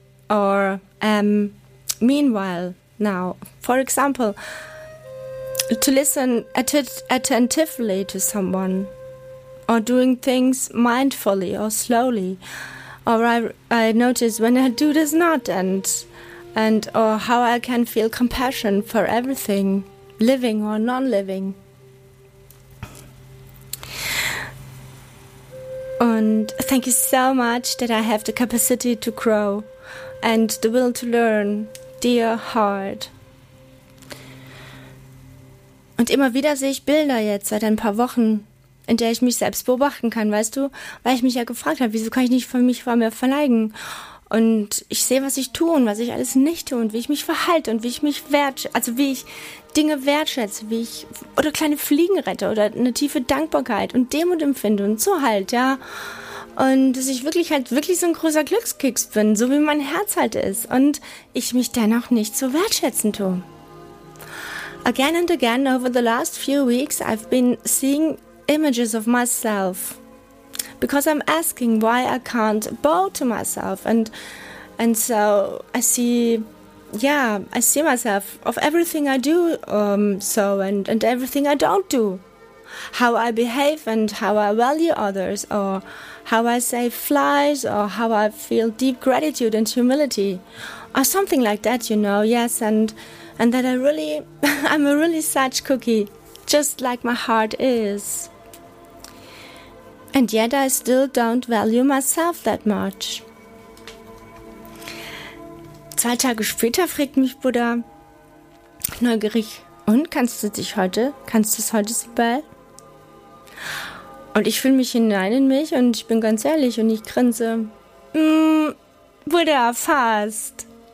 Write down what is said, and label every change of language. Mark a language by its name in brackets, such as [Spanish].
[English] Or meanwhile. Now, for example, to listen attentively to someone, or doing things mindfully or slowly, or I notice when I do this not, and or how I can feel compassion for everything, living or non-living. And thank you so much that I have the capacity to grow and the will to learn. Dear heart. [German] Und immer wieder sehe ich Bilder jetzt seit ein paar Wochen, in der ich mich selbst beobachten kann, weißt du? Weil ich mich ja gefragt habe, wieso kann ich nicht von mich vor mir verneigen? Und ich sehe, was ich tue und was ich alles nicht tue und wie ich mich verhalte und wie ich mich wertschätze, also wie ich Dinge wertschätze, wie ich, oder kleine Fliegen rette oder eine tiefe Dankbarkeit und Demut empfinde und so halt, ja. Und dass ich wirklich halt wirklich so ein großer Glückskeks bin, so wie mein Herz halt ist. Und ich mich dennoch nicht so wertschätzen tue. [English] Again and again over the last few weeks I've been seeing images of myself. Because I'm asking why I can't bow to myself. And so I see, yeah, I see myself of everything I do and everything I don't do. How I behave and how I value others, or how I save flies, or how I feel deep gratitude and humility, or something like that, you know, yes, and that I really, I'm a really such cookie, just like my heart is. And yet I still don't value myself that much. [German] Zwei Tage später fragt mich Buddha, neugierig, und kannst du es heute so bald? Und ich fühle mich hinein in mich und ich bin ganz ehrlich und ich grinse. Buddha, fast.